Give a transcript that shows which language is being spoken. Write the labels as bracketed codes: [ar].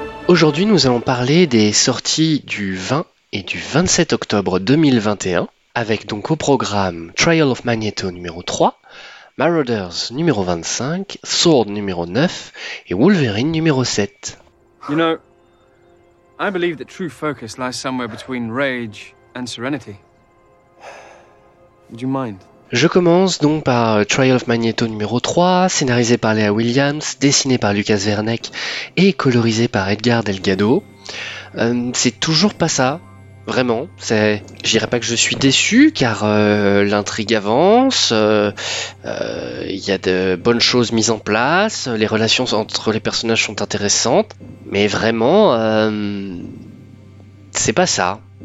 [fr] Aujourd'hui, nous allons parler des sorties du 20 et du 27 octobre 2021, avec donc au programme Trial of Magneto numéro 3, Marauders numéro 25, Sword numéro 9 et Wolverine numéro 7. [en] You know, I believe that true focus lies somewhere between rage and serenity. Do you mind? [fr] Je commence donc par Trial of Magneto numéro 3, scénarisé par Lea Williams, dessiné par Lucas Werneck et colorisé par Edgar Delgado. C'est toujours pas ça. Vraiment, j'irais pas que je suis déçu, car l'intrigue avance, il y a de bonnes choses mises en place, les relations entre les personnages sont intéressantes, mais vraiment, c'est pas ça.